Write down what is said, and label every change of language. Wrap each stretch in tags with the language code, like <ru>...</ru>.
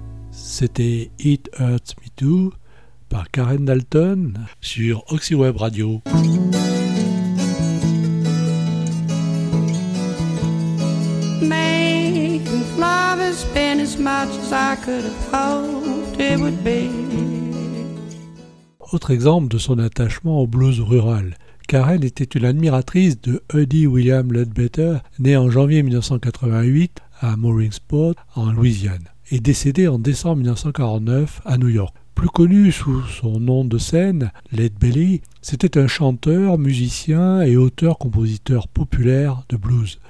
<fr>C'était It Hurts Me Too par Karen Dalton sur OxyWeb Radio.</fr> <en>Making love has been as much as I could have hoped it would be.</en> <fr>Autre exemple de son attachement au blues rural. Karen était une admiratrice de Huddy William Ledbetter, né en janvier 1988 à Mooresport, en Louisiane, et décédé en décembre 1949 à New York. Plus connu sous son nom de scène, Leadbelly, c'était un chanteur, musicien et auteur-compositeur populaire de blues.</fr>